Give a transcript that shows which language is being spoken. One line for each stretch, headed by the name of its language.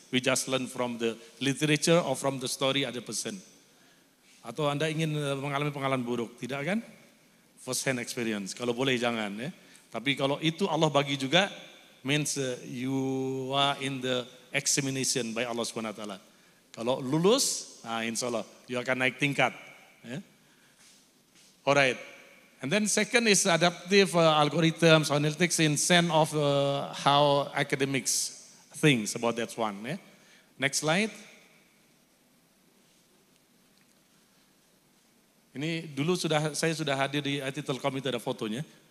English: We just learn from the literature or from the story other person.
Indonesian: Atau Anda ingin mengalami pengalaman buruk, tidak kan?
English: First hand experience,
Indonesian: kalau boleh jangan. Tapi kalau itu Allah bagi juga
English: means you are in the examination by Allah Subhanahu wa taala.
Indonesian: Kalau lulus, nah insyaallah you akan naik tingkat.
English: Alright. And then second is adaptive algorithms, analytics in sense of how academics thinks about that one, Next slide.
Indonesian: Ini dulu sudah saya sudah hadir di IT Telkom itu ada fotonya.